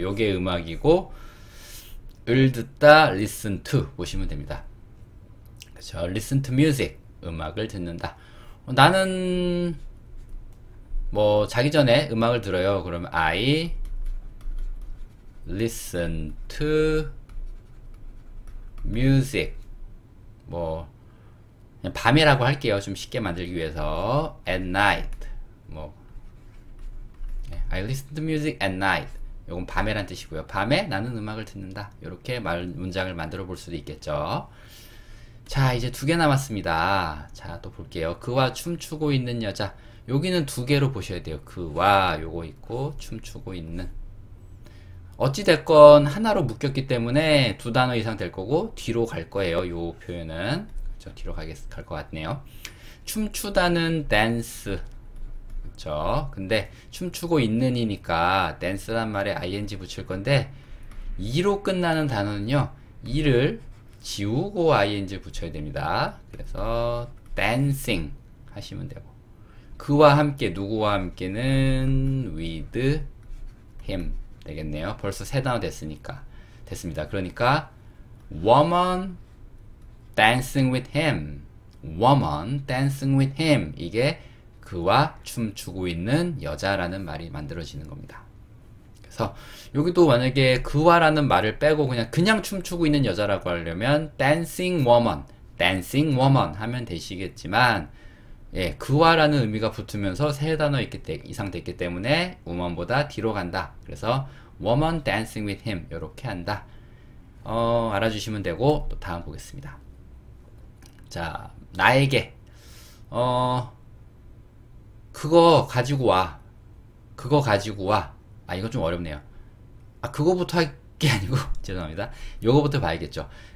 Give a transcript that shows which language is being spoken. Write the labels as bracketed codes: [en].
[ko] 요게 음악이고 을 듣다 [en] listen to [ko] 보시면 됩니다. 그렇죠? [en] listen to music. [ko] 음악을 듣는다. 나는 뭐, 자기 전에 음악을 들어요. 그러면 [en] I listen to music. [ko] 뭐, 그냥 밤이라고 할게요. 좀 쉽게 만들기 위해서. [en] At night. [ko] 뭐, [en] I listen to music at night. [ko] 이건 밤에란 뜻이고요. 밤에 나는 음악을 듣는다. 이렇게 문장을 만들어 볼 수도 있겠죠. 자, 이제 두개 남았습니다. 자, 또 볼게요. 그와 춤추고 있는 여자. 여기는 두 개로 보셔야 돼요. 그와 요거 있고 춤추고 있는. 어찌됐건 하나로 묶였기 때문에 두 단어 이상 될 거고 뒤로 갈 거예요. 요 표현은. 그쵸, 뒤로 갈것 같네요. 춤추다는 댄스. 그쵸. 근데 춤추고 있는이니까 댄스란 말에 ing 붙일 건데 이로 끝나는 단어는요. 이를 지우고 ing 붙여야 됩니다. 그래서 댄싱 하시면 되고. 그와 함께, 누구와 함께는 [en] with him [ko] 되겠네요. 벌써 세 단어 됐으니까. 됐습니다. 그러니까 [en] woman dancing with him. woman dancing with him. [ko] 이게 그와 춤추고 있는 여자라는 말이 만들어지는 겁니다. 그래서 여기도 만약에 그와라는 말을 빼고 그냥 춤추고 있는 여자라고 하려면 [en] dancing woman, dancing woman [ko] 하면 되시겠지만 예, 그와라는 의미가 붙으면서 세 단어 이상 됐기 때문에 woman보다 뒤로 간다. 그래서 [en] woman dancing with him [ko] 이렇게 한다. 알아주시면 되고 또 다음 보겠습니다. 자, 나에게 그거 가지고 와. 그거 가지고 와. 아, 이거 좀 어렵네요. 아, 그거부터 할게 아니고 죄송합니다. 요거부터 봐야겠죠.